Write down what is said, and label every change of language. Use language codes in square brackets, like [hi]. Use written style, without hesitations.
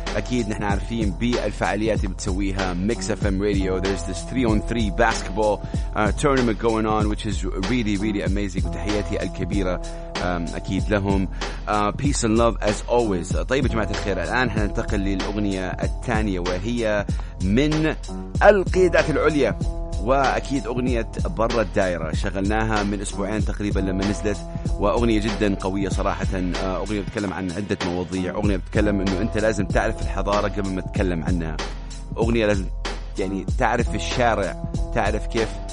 [ar] أكيد نحن عارفين بالفعاليات اللي بتسويها Mix FM Radio. [en] There's this 3-on-3 basketball tournament going on, which is really, really amazing. [ar] وتحياتي الكبيرة أكيد لهم. [en] Peace and love as always. [ar] طيب يا جماعة الخير. الآن هننتقل للأغنية الثانية وهي من القيادات العليا. وأكيد أغنية برة الدائرة شغلناها من أسبوعين تقريبا لما نزلت وأغنية جدا قوية صراحة أغنية بتكلم عن عدة مواضيع أغنية بتكلم أنه أنت لازم تعرف الحضارة قبل ما تتكلم عنها أغنية لازم يعني تعرف الشارع تعرف كيف